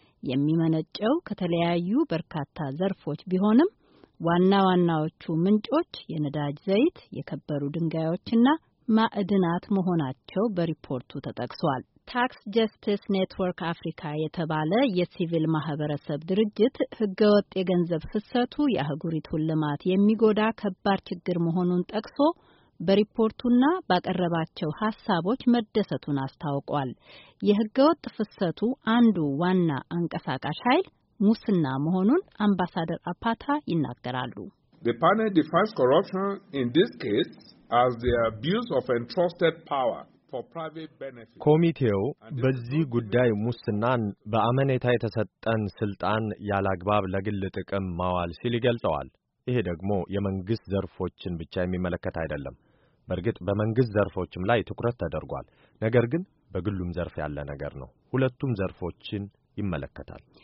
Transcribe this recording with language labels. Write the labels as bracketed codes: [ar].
[am] የሚመነጨው ከተለያዩ በርካታ ዘርፎች ቢሆንም ዋና ዋናዎቹ ምንጮች የነዳጅ ዘይት፣ የከበሩ ድንጋዮችና ማዕድናት መሆናቸው በሪፖርቱ ተጠቅሷል። Tax Justice Network Africa የተባለ የሲቪል ማህበረሰብ ድርጅት ህገወጥ የገንዘብ ፍሰቱ የአህጉሪቱን ልማት የሚጎዳ ከባድ ችግር መሆኑን ጠቅሶ በሪፖርቱና ባቀረባቸው ሐሳቦች መደሰቱን አስታውቋል። የህገወጥ ፍሰቱ አንዱ ዋና አንቀሳቃሽ ኃይል ሙስና መሆኑን አምባሳደር አፓታ ይናገራሉ። [en] The panel defines corruption in this case as the abuse of entrusted power. [am] ኮሚቴው በዚህ ጉዳይ ሙስናን በአመኔታ የተሰጠን ስልጣን ያላግባብ ለግል ጥቅም ማዋል ሲል ይገልጸዋል። ይሄ ደግሞ የመንግስት ዘርፎችን ብቻ የሚመለከት አይደለም። በርግጥ በመንግስት ዘርፎችም ላይ ትኩረት ተደርጓል። ነገር ግን በግሉም ዘርፍ ያለ ነገር ነው። ሁለቱም ዘርፎችን ይመለከታል።